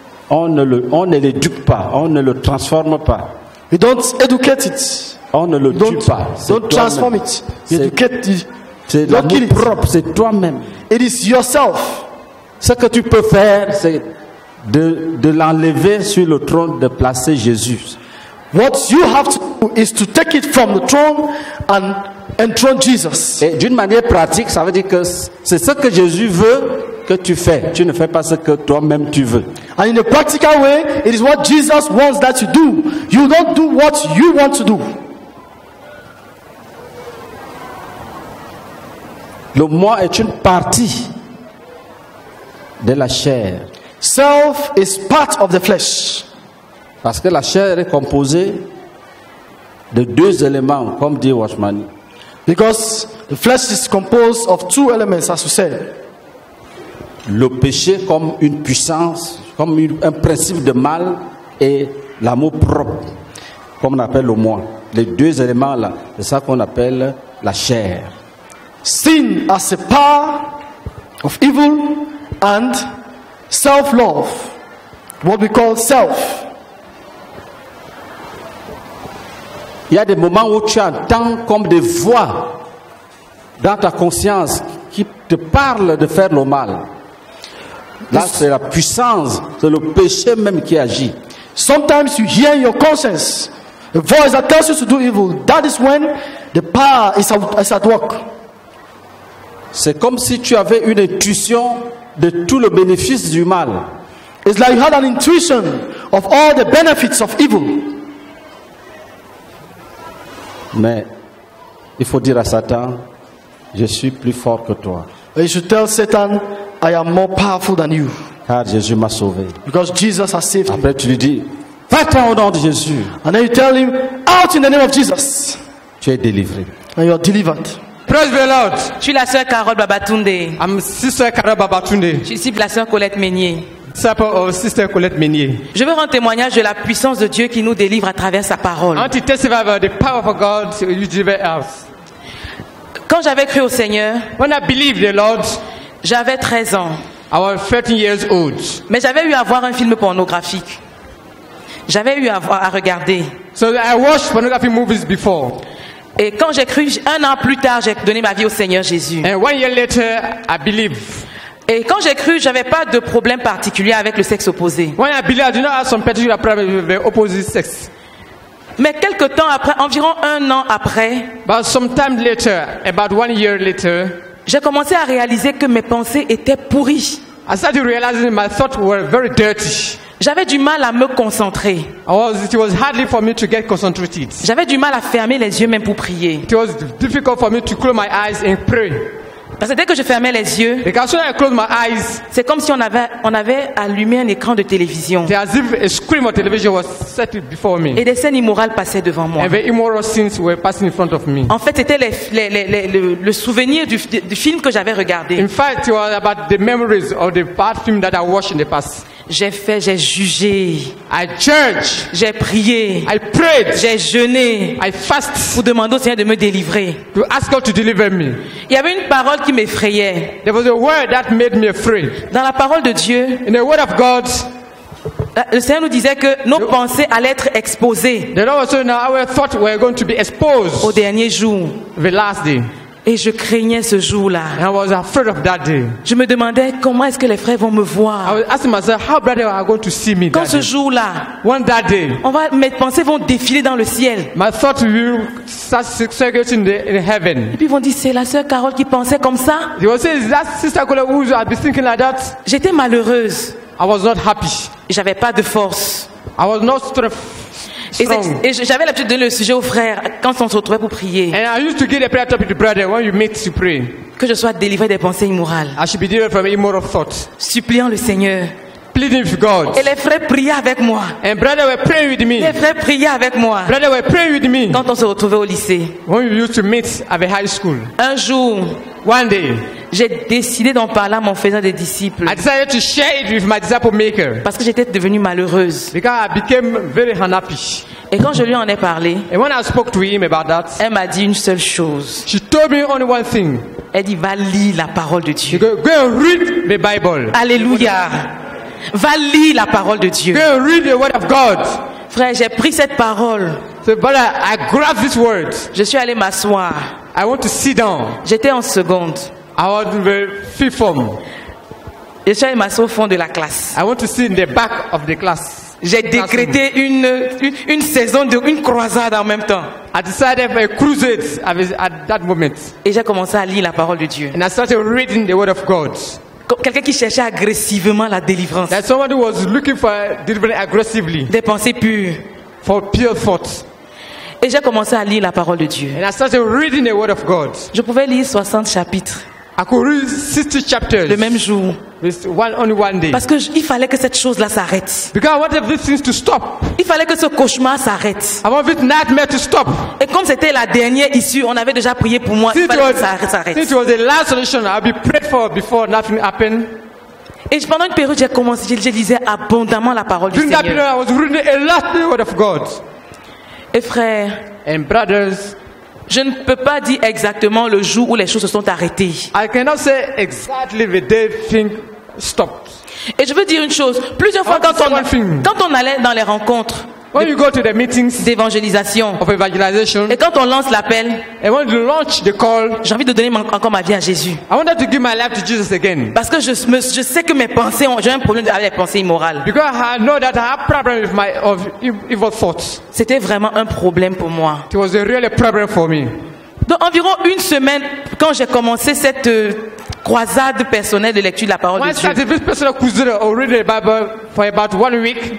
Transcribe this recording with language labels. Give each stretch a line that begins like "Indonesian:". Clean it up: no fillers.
French: on ne l'éduque pas, on ne le transforme pas.
English: You don't educate it.
French: On ne le tue pas.
English: Don't transform it. Educate.
French: C'est l'amour propre, c'est toi-même.
English: It is yourself.
French: Ce que tu peux faire, c'est de l'enlever sur le trône, de placer Jésus.
English: What you have to do is to take it from the throne and enthrone Jesus.
French: Et d'une manière pratique, ça veut dire que c'est ce que Jésus veut que tu fais. Tu ne fais pas ce que toi-même tu veux.
English: And in a practical way, it is what Jesus wants that you do. You don't do what you want to do.
French: Le moi est une partie de la chair.
English: Self is part of the flesh.
French: Parce que la chair est composée de deux éléments, comme dit Watchman.
English: Because the flesh is composed of two elements, as we said.
French: Le péché comme une puissance, comme un principe de mal, et l'amour propre, comme on appelle le moi. Les deux éléments là, c'est ça qu'on appelle la chair.
English: Sin as a power of evil and self-love, what we call self.
French: Il y a des moments où tu entends comme des voix dans ta conscience qui te parlent de faire le mal. Là, c'est la puissance, c'est le péché même qui agit.
English: Sometimes you hear in your conscience a voice that tells you to do evil. That is when the power is at work.
French: C'est comme si tu avais une intuition de tout le bénéfice du mal.
English: It's like you had an intuition of all the benefits of evil.
French: Mais il faut dire à Satan, je suis plus fort que toi.
English: You should tell Satan, I am more powerful than you.
French: Car Jésus m'a sauvé.
English: Because Jesus has saved me.
French: Après tu lui dis, va-t'en au nom de Jésus.
English: And then you tell him, out in the name of Jesus.
French: Tu es délivré.
English: And you are delivered. Praise the Lord.
French: Je suis la sœur Carole Babatunde.
English: I'm sister Carole Babatunde.
French: Je suis la sœur Colette Meunier.
English: Sister Colette Meunier.
French: Je veux rendre témoignage de la puissance de Dieu qui nous délivre à travers sa parole.
English: Anti testify about the power of God you give us.
French: Quand j'avais cru au Seigneur,
English: when I believed the Lord,
French: j'avais 13 ans.
English: I was 13 years old.
French: Mais j'avais eu à voir un film pornographique. J'avais eu à regarder.
English: So I watched pornographic movies before.
French: Et quand j'ai cru, un an plus tard, j'ai donné ma vie au Seigneur Jésus.
English: And 1 year later, I believe.
French: Et quand j'ai cru, j'avais pas de problème particulier avec le sexe opposé.
English: When I believe, I do not have some particular problem with the opposite sex.
French: Mais quelque temps après, environ un an après,
English: but some time later, about 1 year later,
French: j'ai commencé à réaliser que mes pensées étaient pourries.
English: I started realizing my thoughts were very dirty.
French: J'avais du mal à me concentrer.
English: It was hardly for me to get concentrated.
French: J'avais du mal à fermer les yeux même pour prier.
English: It was difficult for me to close my eyes and pray.
French: Parce que dès que je fermais les yeux,
English: because when I close my eyes,
French: c'est comme si on avait allumé un écran de télévision.
English: It was as if a screen of television was set before me.
French: Et des scènes immorales passaient devant moi.
English: And the immoral scenes were passing in front of me.
French: En fait, c'était le souvenir du film que j'avais regardé.
English: In fact, it was about the memories of the bad film that I watched in the past.
French: J'ai jugé.
English: I judge.
French: J'ai prié.
English: I prayed.
French: J'ai jeûné.
English: I fast.
French: Pour demander au Seigneur de me délivrer.
English: To ask God to deliver me.
French: Il y avait une parole qui m'effrayait.
English: There was a word that made me afraid.
French: Dans la parole de Dieu,
English: in the word of God,
French: le Seigneur nous disait que nos pensées allaient être exposées.
English: The Lord was saying our thoughts were going to be exposed.
French: Au dernier jour.
English: The last day.
French: Et je craignais ce jour-là.
English: I was afraid of that day.
French: Je me demandais comment est-ce que les frères vont me voir.
English: I was asking myself how brothers are going to see me.
French: Quand ce jour-là,
English: when that day,
French: mes pensées vont défiler dans le ciel.
English: My thoughts will start circulating in heaven.
French: Et puis ils vont dire c'est la sœur Carole qui pensait comme ça.
English: They will say is that sister Carole who I've been thinking like that.
French: J'étais malheureuse.
English: I was not happy.
French: J'avais pas de force.
English: I was not strong.
French: Et j'avais l'habitude de donner le sujet aux frères quand on se retrouvait pour prier.
English: And I used to give the prayer topic to brother when you meet to pray.
French: Que je sois délivré des pensées immorales.
English: I should be delivered from immoral thoughts.
French: Suppliant le Seigneur.
English: Pleading with God.
French: Et les frères priaient avec moi.
English: And brother were praying with me.
French: Les frères priaient avec moi.
English: Brother were praying with me.
French: Quand on se retrouvait au lycée.
English: When we used to meet at the high school.
French: Un jour.
English: One day.
French: J'ai décidé d'en parler à mon faisant des disciples.
English: I decided to share it with my disciple maker.
French: Parce que j'étais devenue malheureuse.
English: Because I became very unhappy.
French: Et quand je lui en ai parlé,
English: and when I spoke to him about that,
French: elle m'a dit une seule chose.
English: She told me only one thing.
French: Elle dit, va lire la parole de Dieu.
English: Go and read the Bible.
French: Alléluia. Va lire la parole de Dieu.
English: Go and read the word of God.
French: Frère, j'ai pris cette parole.
English: So, brother, I grabbed this word.
French: Je suis allé m'asseoir.
English: I want to sit down.
French: J'étais en seconde.
English: I was in the fifth form.
French: Je suis allé m'asseoir au fond de la classe.
English: I want to sit in the back of the class.
French: J'ai décrété une saison de une croisade en même temps.
English: I decided a crusade at that moment.
French: Et j'ai commencé à lire la parole de Dieu.
English: And I started reading the word of God.
French: Quelqu'un qui cherchait agressivement la délivrance.
English: That someone who was looking for delivery aggressively.
French: Des pensées pures.
English: For pure thoughts.
French: Et j'ai commencé à lire la parole de Dieu.
English: And I started reading the word of God.
French: Je pouvais lire 60 chapitres.
English: I could read 60 chapters.
French: Le même jour.
English: Only one day.
French: Parce que il fallait que cette chose là s'arrête.
English: Because I wanted these things to stop.
French: Il fallait que ce cauchemar s'arrête.
English: I want this nightmare to stop.
French: Et comme c'était la dernière issue, on avait déjà prié pour moi. Il fallait que ça s'arrête.
English: Since it was the last solution, I'd be prayed for before nothing happened.
French: Et pendant une période, j'ai commencé, je lisais abondamment la parole du Seigneur.
English: During that period, I was reading a lot of the word of God.
French: Et frères.
English: And brothers.
French: Je ne peux pas dire exactement le jour où les choses se sont arrêtées.
English: I cannot say exactly the day thing stopped.
French: Et je veux dire une chose. Plusieurs fois, quand on allait dans les rencontres
English: when you go to the meetings
French: d'évangélisation
English: of evangelization,
French: et quand on lance l'appel,
English: and when you launch the call,
French: j'ai envie de donner encore ma vie à Jésus.
English: I wanted to give my life to Jesus again.
French: Parce que je sais que mes pensées ont, j'ai un problème avec les pensées immorales.
English: Because I know that I have problem with my of evil thoughts.
French: C'était vraiment un problème pour moi.
English: It was a real problem for me.
French: Donc environ une semaine quand j'ai commencé cette croisade personnelle de lecture de la parole
English: when
French: de Dieu.
English: Personal crusade or read the Bible for about 1 week.